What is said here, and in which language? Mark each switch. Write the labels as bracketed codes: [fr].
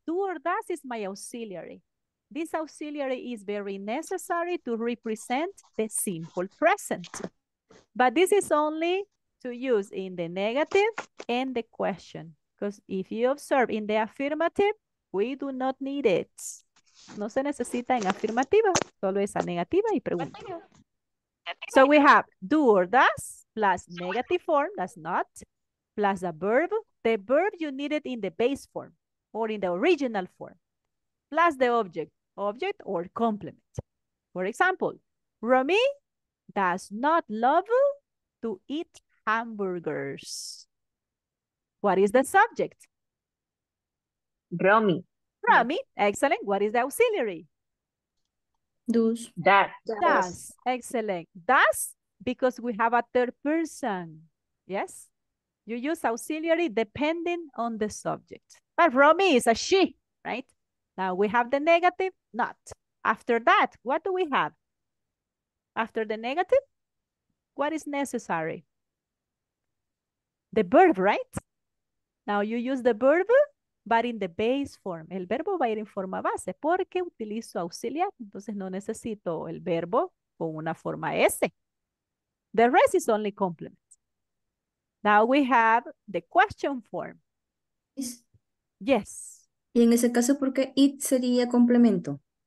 [en] Do or does is my auxiliary. This auxiliary is very necessary to represent the simple present. But this is only to use in the negative and the question. Because if you observe in the affirmative, we do not need it. [es] No se necesita en afirmativa, solo es a negativa y pregunta. [en] So we have do or does plus negative form, that's not, plus a verb. The verb you need it in the base form or in the original form, plus the object, object or complement. For example, Romy does not love to eat hamburgers. What is the subject? Romy. Romy, excellent. What is the auxiliary? Does. Does. Excellent. Does, because we have a third person. Yes? You use auxiliary depending on the subject. But Romy is a she, right? Now we have the negative, not. After that, what do we have? After the negative, what is necessary? The verb, right? Now you use the verb, but in the base form. [es] El verbo va a ir en forma base porque utilizo auxiliar. Entonces no necesito el verbo con una forma S. [en] The rest is only complements. Now we have the question form. Yes. [es] Y en ese caso, ¿por qué it sería complemento?